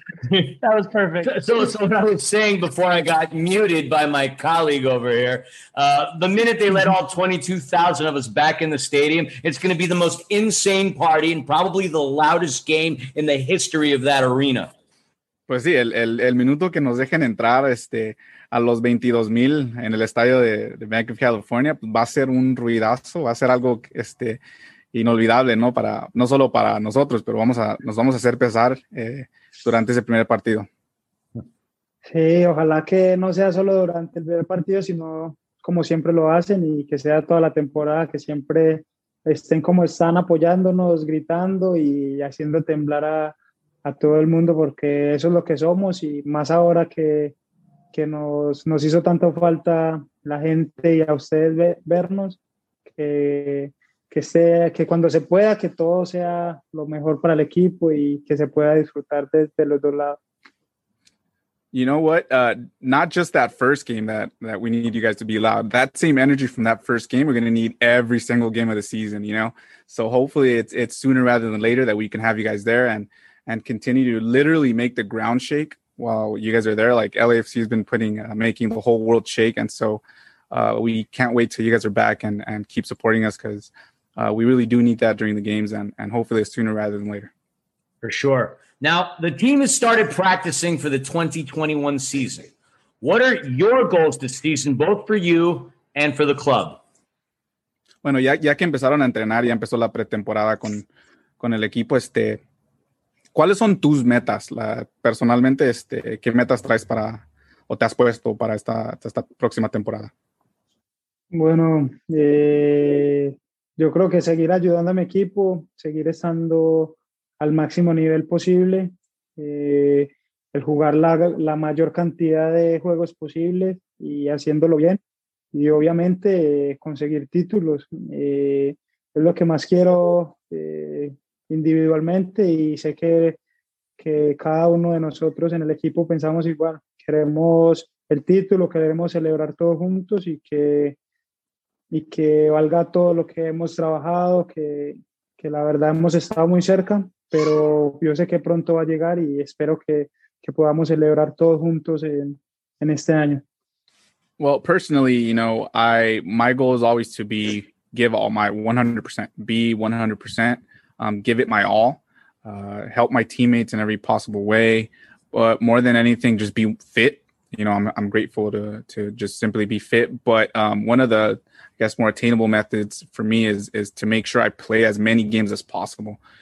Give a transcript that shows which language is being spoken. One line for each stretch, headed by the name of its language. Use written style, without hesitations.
English: That was perfect. So what I was saying before I got muted by my colleague over here, the minute they let all 22,000 of us back in the stadium, it's going to be the most insane party and probably the loudest game in the history of that arena.
Spanish: Pues sí, el minuto que nos dejen entrar a los 22,000 en el estadio de Bank of California va a ser un ruidazo, va a ser algo inolvidable, ¿no? Para no solo para nosotros, pero nos vamos a hacer pesar durante ese primer partido. Sí, ojalá que no sea solo durante el primer partido, sino como siempre lo hacen y que sea toda la temporada, que siempre estén como están apoyándonos, gritando y haciendo temblar a todo el mundo, porque eso es lo que somos, y más ahora que nos hizo tanto falta la gente y a ustedes vernos, que cuando se pueda, que todo sea lo mejor para el equipo y que se pueda disfrutar desde los dos lados.
English: You know what? Not just that first game that we need you guys to be loud. That same energy from that first game, we're going to need every single game of the season, you know? So hopefully it's sooner rather than later that we can have you guys there and continue to literally make the ground shake while you guys are there. Like LAFC has been making the whole world shake. And so we can't wait till you guys are back and keep supporting us, because we really do need that during the games and hopefully sooner rather than later. For sure. Now, the team has started practicing for the 2021 season. What are your goals this season, both for you and for the club?
Spanish: Bueno, ya que empezaron a entrenar, ya empezó la pretemporada con el equipo, ¿cuáles son tus metas? Personalmente, ¿qué metas traes para o te has puesto para esta próxima temporada? Bueno, yo creo que seguir ayudando a mi equipo, seguir estando al máximo nivel posible, el jugar la mayor cantidad de juegos posible y haciéndolo bien, y obviamente conseguir títulos. Es lo que más quiero individualmente, y sé que cada uno de nosotros en el equipo pensamos igual. Queremos el título, queremos celebrar todos juntos y que valga todo lo que hemos trabajado, que la verdad hemos estado muy cerca, pero yo sé que pronto va a llegar y espero que podamos celebrar todos juntos en este año.
English: Well, personally, you know, my goal is always to be give all my 100%, be 100%. Give it my all, help my teammates in every possible way, but more than anything, just be fit. You know, I'm grateful to just simply be fit. But one of the, I guess, more attainable methods for me is to make sure I play as many games as possible.